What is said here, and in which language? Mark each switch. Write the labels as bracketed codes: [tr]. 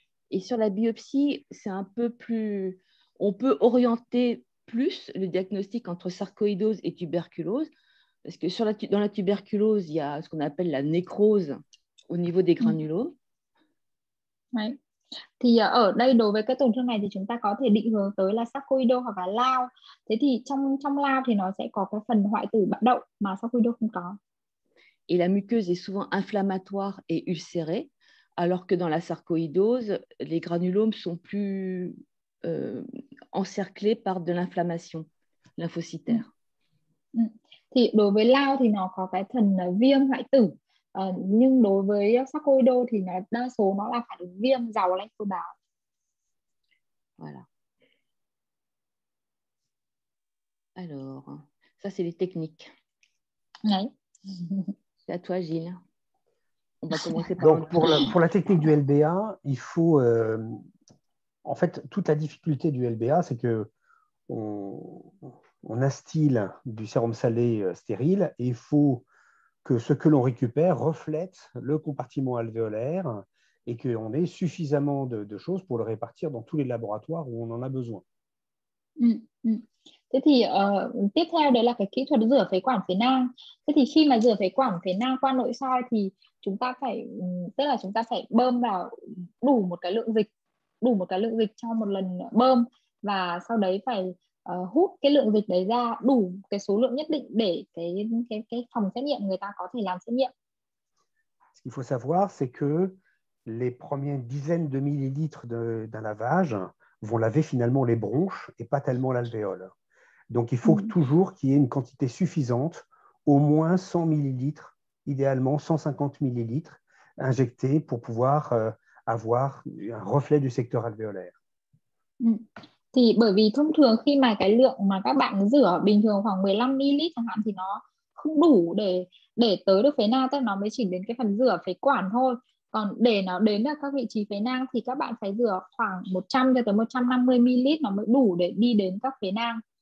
[fr] Et sur la biopsie, c'est un peu plus... On peut orienter plus le diagnostic entre sarcoïdose et tuberculose, parce que dans la tuberculose, il y a ce qu'on appelle la nécrose au niveau des granulomes. Oui. [vi] Thì ở đây đối với cái tổn thương này thì chúng ta có thể định hướng tới là sarcoidosis hoặc là lao. Thế thì trong lao thì nó sẽ có cái phần hoại tử bạo động mà sarcoidosis không có. [fr] Et la muqueuse est souvent inflammatoire et ulcérée, alors que dans la sarcoïdose, les granulomes sont plus encerclés par de l'inflammation lymphocytaire. [vi] Thì đối với lao thì nó có cái phần viêm hoại tử, nhưng đối với sarcoïdose thì đa số nó là phản ứng viêm giàu lên tế bào. [fr] Voilà. Alors, ça c'est les techniques. Oui. À toi, Gilles. On va commencer par... Donc, pour la technique du LBA, il faut... en fait, toute la difficulté du LBA, c'est qu'on instille du sérum salé stérile et il faut que ce que l'on récupère reflète le compartiment alvéolaire et qu'on ait suffisamment de choses pour le répartir dans tous les laboratoires où on en a besoin. [vi] Thế thì tiếp theo đấy là cái kỹ thuật rửa phế quản phế nang. Thế thì khi mà rửa phế quản phế nang qua nội soi thì chúng ta phải bơm vào đủ một cái lượng dịch cho một lần bơm, và sau đấy phải hút cái lượng dịch đấy ra đủ cái số lượng nhất định để cái phòng xét nghiệm người ta có thể làm xét nghiệm. [fr] Ce qu'il faut savoir, c'est que les premières dizaines de millilitres d'un lavage vont laver finalement les bronches et pas tellement l'alvéole. Donc, il faut toujours qu'il y ait une quantité suffisante, au moins 100 millilitres, idéalement 150 millilitres, injectés pour pouvoir avoir un reflet du secteur alvéolaire. [vi] Thì bởi vì thông thường khi mà cái lượng mà các bạn rửa bình thường khoảng 15 millilitres chẳng hạn, thì nó không đủ để tới được phế nang, tức là nó mới chỉ đến cái phần rửa phế quản thôi. Còn để nó đến được các vị trí phế nang thì các bạn phải rửa khoảng 100 cho tới 150 millilitres, nó mới đủ để đi đến các phế nang.